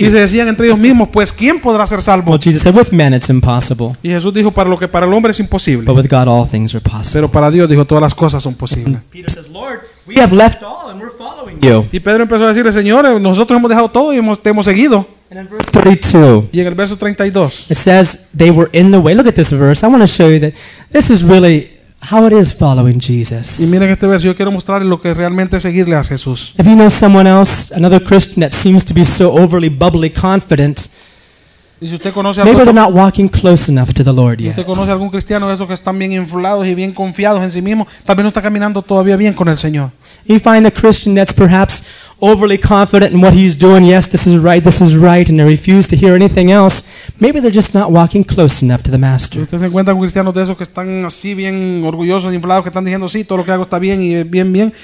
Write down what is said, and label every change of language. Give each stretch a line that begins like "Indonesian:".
Spanish: Y se decían entre ellos mismos, pues ¿quién podrá ser salvo?
English: Well, Jesus said, "With men it's impossible."
Spanish: Y Jesús dijo para lo que para el hombre es imposible.
English: But with God all things are possible.
Spanish: Pero para Dios dijo todas las cosas son posibles.
English: Peter says, "Lord, we have left all and we're following you."
Spanish: Y Pedro empezó a decirle, "Señor, nosotros hemos dejado todo y te hemos seguido."
English: And in verse 32.
Spanish: Y en el verso 32.
English: It says they were in the way. Look at this verse. I want to show you that this is really how it is following Jesus.
Spanish: Y miren este verso, yo quiero mostrarles lo que realmente es seguirle a Jesús.
English: If you know someone else, another Christian that seems to be so overly bubbly confident.
Spanish: Y si usted conoce
English: maybe they're not walking close enough to the Lord yet.
Spanish: Si usted conoce algún cristiano de esos que están bien inflados y bien confiados en sí mismo, tal vez no está caminando todavía bien con el Señor.
English: You find a Christian that's perhaps overly confident in what he's doing. Yes, this is right, and they refuse to hear anything else. Maybe they're just not walking close enough to the Master.
Spanish: Usted se encuentra con cristianos de esos que están así bien orgullosos, inflados, que están diciendo sí, todo lo que hago está bien y bien, bien.